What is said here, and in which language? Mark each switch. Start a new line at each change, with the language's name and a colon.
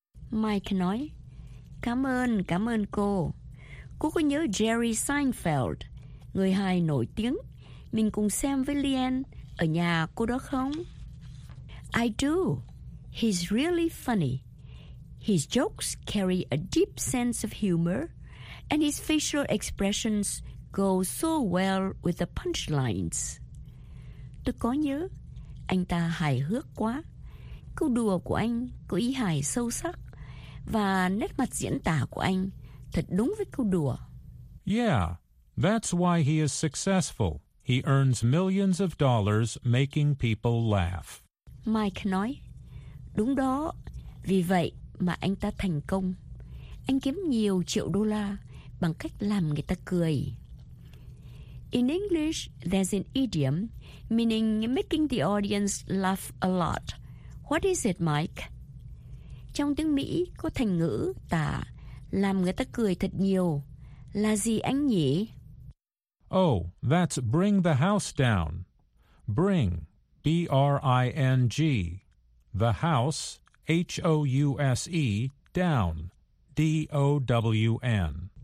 Vietnamese: Mike nói, cảm ơn cô. Cô có nhớ Jerry Seinfeld, người hài nổi tiếng, mình cùng xem với Leanne ở nhà cô đó không?
English: I do. He's really funny. His jokes carry a deep sense of humor, and his facial expressions go so well with the punchlines.
Vietnamese: Tôi có nhớ, anh ta hài hước quá. Câu đùa của anh có ý hài sâu sắc, và nét mặt diễn tả của anh thật đúng với câu đùa.
English: Yeah, that's why he is successful. He earns millions of dollars making people laugh.
Vietnamese: Mike nói, đúng đó, vì vậy mà anh ta thành công. Anh kiếm nhiều triệu đô la bằng cách làm người ta cười.
English: In English, there's an idiom meaning making the audience laugh a lot. What is it, Mike?
Vietnamese: Trong tiếng Mỹ có thành ngữ tả làm người ta cười thật nhiều. Là gì anh nhỉ?
English: Oh, that's bring the house down. Bring, B-R-I-N-G. The house, H-O-U-S-E, down, D-O-W-N.